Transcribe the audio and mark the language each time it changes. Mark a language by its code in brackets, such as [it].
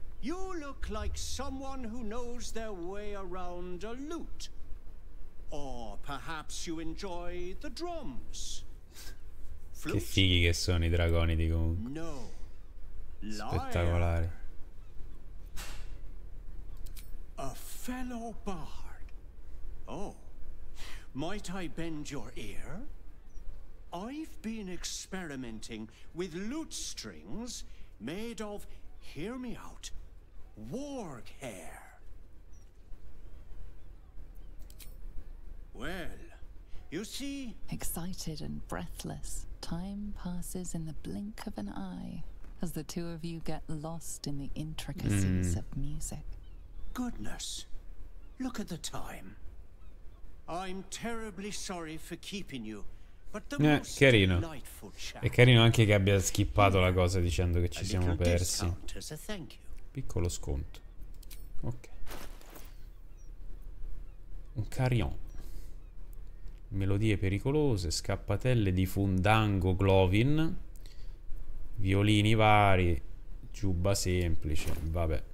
[en] You look like someone who knows their way around a lute. Or perhaps you enjoy the drums. [it] Che fighi che sono i dragoni di comunque. No. Spettacolare. [en] A fellow bard. Oh. Might I bend your ear? I've been experimenting with lute strings made of, hear me out, warg hair. Well, you see, excited and breathless, time passes in the blink of an eye as the two of you get lost in the intricacies of music. Goodness, look at the time. I'm terribly sorry for keeping you, but the most [it] carino. [en] Delightful chat. [it] È carino anche che abbia skippato la cosa dicendo che ci siamo persi. Piccolo sconto. Ok. Un carillon. Melodie pericolose, scappatelle di fundango Glovin, violini vari, giubba semplice, vabbè.